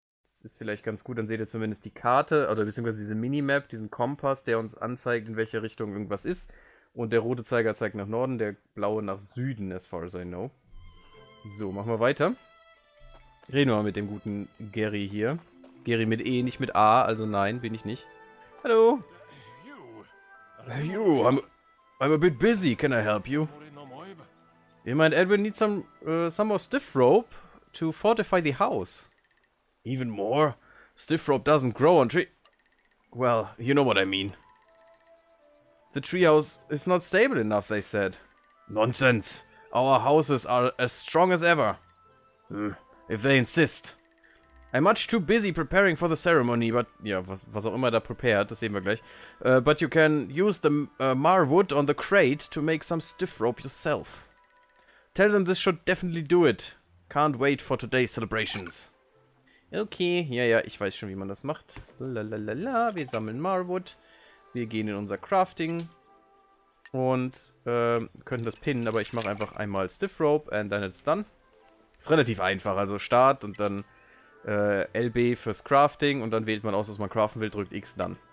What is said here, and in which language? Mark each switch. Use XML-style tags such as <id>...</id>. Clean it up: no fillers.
<de>Das ist vielleicht ganz gut. Dann seht ihr zumindest die Karte oder beziehungsweise diese Minimap, diesen Kompass, der uns anzeigt, in welche Richtung irgendwas ist. Und der rote Zeiger zeigt nach Norden, der blaue nach Süden,</de> <en>as far as I know.</en> <de>So, machen wir weiter. Reden wir mal mit dem guten Gary hier. Gary mit E, nicht mit A, also nein, bin ich nicht. Hallo!</de> <en>Hey, you, I'm a bit busy, can I help you? You mind, Edwin needs some more stiff rope to fortify the house. Even more? Stiff rope doesn't grow on tree. Well, you know what I mean. The treehouse is not stable enough, they said. Nonsense! Our houses are as strong as ever. If they insist. I'm much too busy preparing for the ceremony, but.</en> <de>Ja, was auch immer da prepared, das sehen wir gleich.</de> <en>But you can use the marwood on the crate to make some stiff rope yourself. Tell them this should definitely do it. Can't wait for today's celebrations.</en> <de>Okay, ja, ich weiß schon, wie man das macht. Lalalala, wir sammeln Marwood. Wir gehen in unser Crafting. Und können das pinnen, aber ich mache einfach einmal Stiff Rope</de> <en>and then it's done.</en> <de>Ist relativ einfach, also Start und dann LB fürs Crafting und dann wählt man aus, was man craften will, drückt X, dann.</de>